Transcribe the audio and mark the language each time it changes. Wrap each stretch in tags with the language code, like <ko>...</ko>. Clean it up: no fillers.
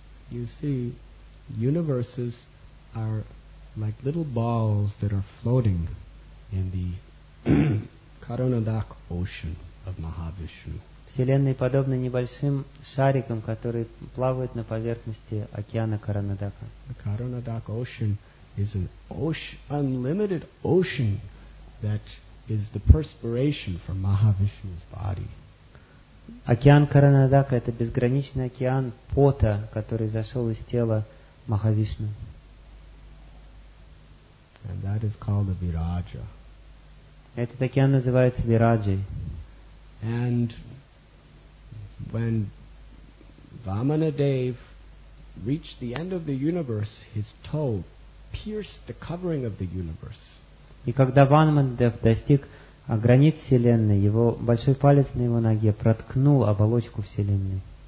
<en>You see, universes are like little balls that are floating in the Karunadak ocean of Mahavishnu.</en> <ru>Вселенной подобны небольшим шарикам, которые плавают на поверхности океана Каранадака.</ru> <en>The Karunadak ocean is an unlimited ocean that is the perspiration from Mahavishnu's body.</en> <ru>Океан Каранадака — это безграничный океан пота, который зашел из тела Махавишну.</ru> <en>And that is called the Viraja.</en> <ru>Этот океан называется Вираджей.</ru> <en>And when Vamanadev reached the end of the universe, his toe pierced the covering of the universe.</en> <ru>И когда Ванмандев достиг границ Вселенной, его большой палец на его ноге проткнул оболочку Вселенной.</ru>